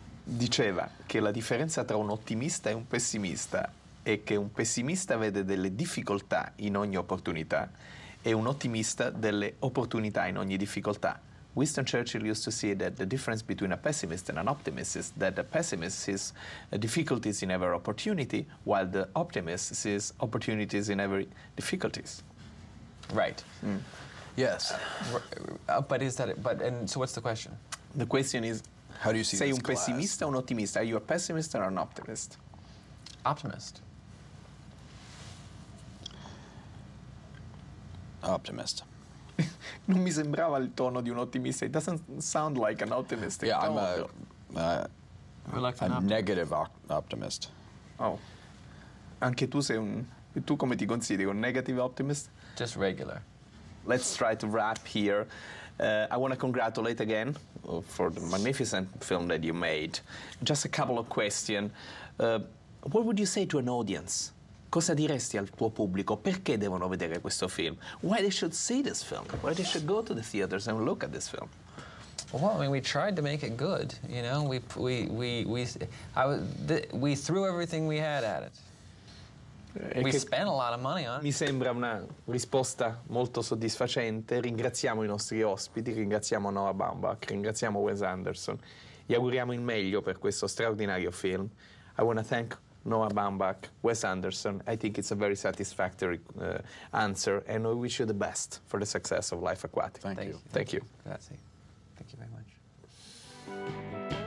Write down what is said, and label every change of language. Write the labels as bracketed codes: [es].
[it] Diceva che la differenza tra un ottimista e un pessimista è che un pessimista vede delle difficoltà in ogni opportunità e un ottimista delle opportunità in ogni difficoltà. [en] Winston Churchill used to say that the difference between a pessimist and an optimist is that the pessimist sees difficulties in every opportunity, while the optimist sees opportunities in every difficulties. Right. Mm. Yes. But is that it? But and so what's the question? The question is, how do you see [it] sei [en] this [it] un pessimista o un ottimista? [en] Are you a pessimist or an optimist? Optimist. Optimist. [it] Non mi sembrava il tono di un ottimista. [en] It doesn't sound like an optimistic tone. Yeah, I'm tone. a negative optimist. [it] Oh. Anche tu sei un... Tu come ti consideri? Un [en] negative optimist? Just regular. Let's try to wrap here. I want to congratulate again for the magnificent film that you made. Just a couple of questions. What would you say to an audience? [it] Cosa diresti al tuo pubblico? Perché devono vedere questo film? [en] Why they should see this film? Why they should go to the theaters and look at this film? Well, I mean, we tried to make it good, you know. We threw everything we had at it. We spent a lot of money on it. [it] Mi sembra una risposta molto soddisfacente. Ringraziamo i nostri ospiti, ringraziamo Noah Baumbach, ringraziamo Wes Anderson. Gli auguriamo il meglio per questo straordinario film. [en] I want to thank Noah Baumbach, Wes Anderson. I think it's a very satisfactory answer, and we wish you the best for the success of Life Aquatic. Thank you. Thank you. [it] Grazie. [en] Thank you very much.